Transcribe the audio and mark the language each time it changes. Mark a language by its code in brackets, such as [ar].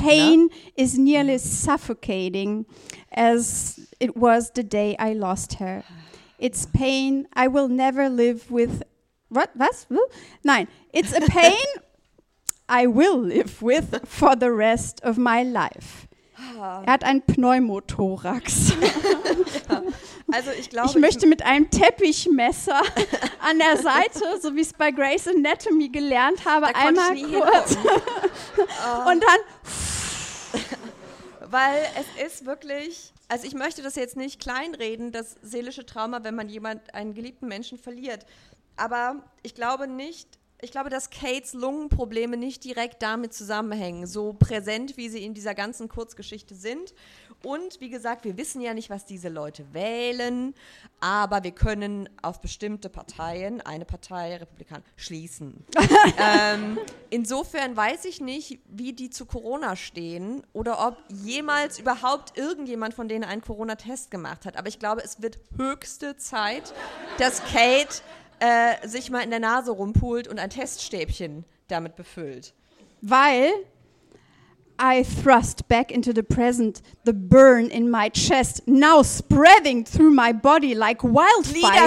[en] The pain is nearly suffocating as it was the day I lost her. It's pain I will never live with. It's a pain I will live with for the rest of my life. [de] Er hat einen Pneumothorax. Also ich glaube, ich möchte mit einem Teppichmesser an der Seite, so wie es bei Grey's Anatomy gelernt habe, da einmal kurz. Und dann. Weil es ist wirklich, also ich möchte das jetzt nicht kleinreden, das seelische Trauma, wenn man einen geliebten Menschen verliert. Aber ich glaube nicht, ich glaube, dass Kates Lungenprobleme nicht direkt damit zusammenhängen, so präsent, wie sie in dieser ganzen Kurzgeschichte sind. Und wie gesagt, wir wissen ja nicht, was diese Leute wählen, aber wir können auf bestimmte Parteien, eine Partei, Republikaner, schließen. Insofern weiß ich nicht, wie die zu Corona stehen oder ob jemals überhaupt irgendjemand von denen einen Corona-Test gemacht hat. Aber ich glaube, es wird höchste Zeit, dass Kate sich mal in der Nase rumpult und ein Teststäbchen damit befüllt. [en] Weil I thrust back into the present, the burn in my chest now spreading through my body like wildfire.